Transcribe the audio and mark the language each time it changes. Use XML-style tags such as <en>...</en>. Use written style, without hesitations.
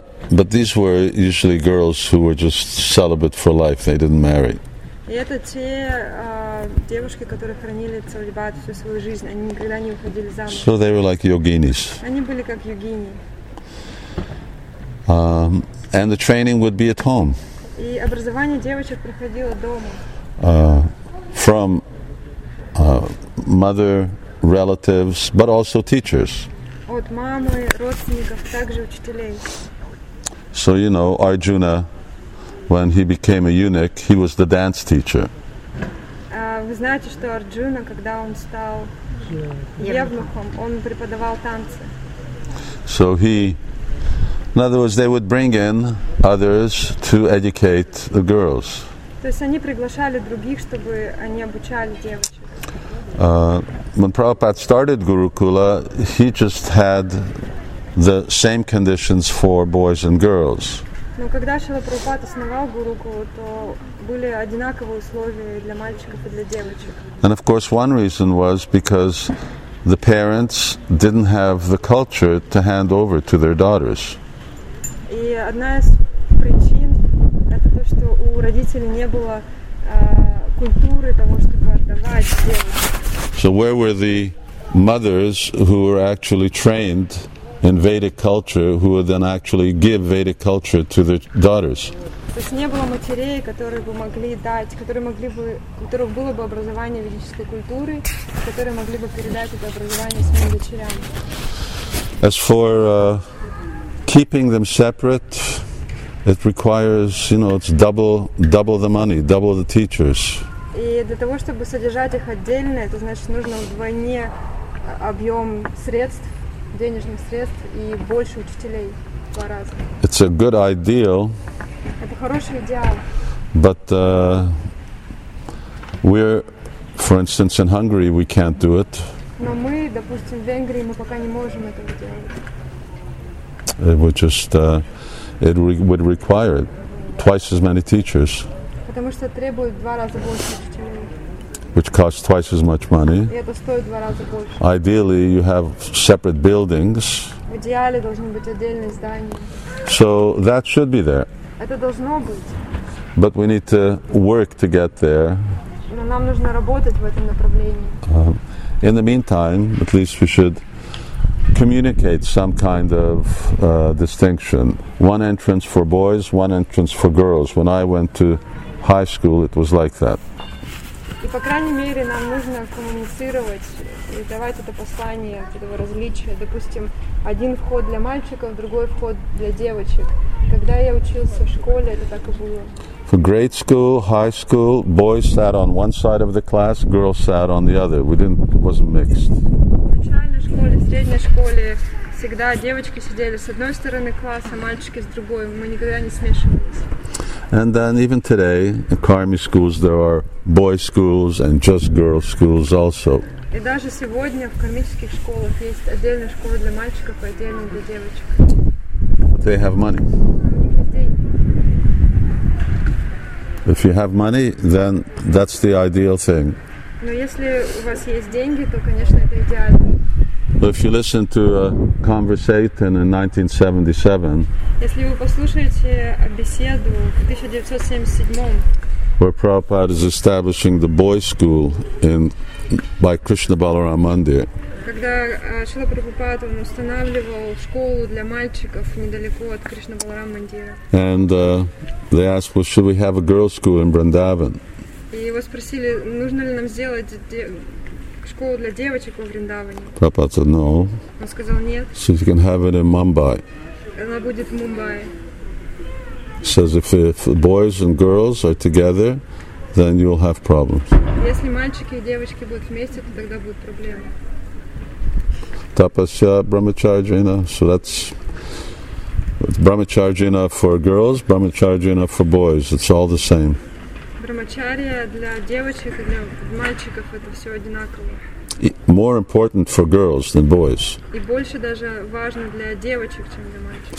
<en>But these were usually girls who were just celibate for life. They didn't marry.</en> <ru>И это те девушки, которые хранили целибат всю свою жизнь. Они никогда не уходили замуж.</ru> <en>So they were like yoginis.</en> <ru>Они были как йогини.</ru> <en>And the training would be at home.</en> <ru>И образование девочек проходило дома.</ru> <en>From mother, relatives, but also teachers.</en> <ru>От мамы, родственников, также учителей.</ru> <en>So you know, Arjuna, when he became a eunuch, he was the dance teacher.</en> <ru>Вы знаете, что Арджуна, когда он стал евнухом, он преподавал танцы.</ru> <en>So he, in other words, they would bring in others to educate the girls.</en> <ru>То есть они приглашали других, чтобы они обучали девочек.</ru> <en>When Prabhupada started Gurukula, he just had the same conditions for boys and girls.</en> <ru>Но когда Шрила Прабхупада основал Гурукулу, то были одинаковые условия для мальчиков и для девочек.</ru> <en>And of course, one reason was because the parents didn't have the culture to hand over to their daughters.</en> <ru>И одна из причин это то, что у родителей не было культуры того, чтобы отдавать девочек.</ru> <en>So where were the mothers who were actually trained in Vedic culture, who would then actually give Vedic culture to their daughters?</en> <ru>То есть не было матерей, которые бы могли дать, которые могли бы, у которых было бы образование ведической культуры, которые могли бы передать это образование своим дочерям.</ru> <en>As for keeping them separate, it requires, you know, it's double the money, double the teachers.</en> <ru>И для того, чтобы содержать их отдельно, это значит, нужно вдвойне объем средств, денежных средств и больше учителей по разу.</ru> <en>It's a good ideal.</en> <ru>Это хороший идеал.</ru> <en>But we're, for instance, in Hungary, we can't do it.</en> <ru>Но мы, допустим, в Венгрии, мы пока не можем этого делать.</ru> <en>It would just, would require twice as many teachers.</en> <ru>Потому что требует два раза больше учителей.</ru> <en>Which costs twice as much money.</en> <ru>И это стоит два раза больше.</ru> <en>Ideally, you have separate buildings.</en> <ru>В идеале должны быть отдельные здания.</ru> <en>So that should be there.</en> <ru>Это должно быть.</ru> <en>But we need to work to get there.</en> <ru>Но нам нужно работать в этом направлении.</ru> <en>In the meantime, at least we should communicate some kind of distinction. One entrance for boys, one entrance for girls. When I went to high school, it was like that.</en> <ru>И по крайней мере нам нужно коммуницировать и давать это послание этого различия. Допустим, один вход для мальчиков, другой вход для девочек. Когда я учился в школе, это так и было.</ru> <en>For grade school, high school, boys sat on one side of the class, girls sat on the other. It wasn't mixed.</en> <ru>В начальной школе, средней школе всегда девочки сидели с одной стороны класса, мальчики с другой. Мы никогда не смешивались.</ru> <en>And then even today, in Carmi schools, there are boys schools and just girls schools also.</en> <ru>И даже сегодня в кармических школах есть отдельная школа для мальчиков и отдельная для девочек.</ru> <en>They have money. If you have money, then that's the ideal thing.</en> <ru>Но если у вас есть деньги, то, конечно, это идеально.</ru> <en>If you listen to a conversation in 1977,</en> <ru>если вы послушаете беседу в 1977,</ru> <en>where Prabhupada is establishing the boys' school in by Krishna Balaram Mandir.</en> <ru>Когда Шрила Прабхупада устанавливал школу для мальчиков недалеко от Кришна Баларам Мандира.</ru> <en>And they asked, well, should we have a girls' school in Vrindavan?</en> <ru>И его спросили, нужно ли нам сделать школу для девочек во Вриндаване.</ru> <en>Prabhupada said, no.</en> <ru>Он сказал, нет.</ru> <en>So you can have it in Mumbai.</en> <ru>Она будет в Мумбаи.</ru> <en>Says if boys and girls are together, then you'll have problems.</en> <ru>Если мальчики и девочки будут вместе, то тогда будут проблемы.</ru> <en>Tapasya Brahmacharjina. So that's Brahmacharjina for girls, Brahmacharjina for boys. It's all the same.</en> <ru>Брахмачарья для девочек и для мальчиков это все одинаково.</ru> <en>More important for girls than boys.</en> <ru>И больше даже важно для девочек, чем для мальчиков.</ru>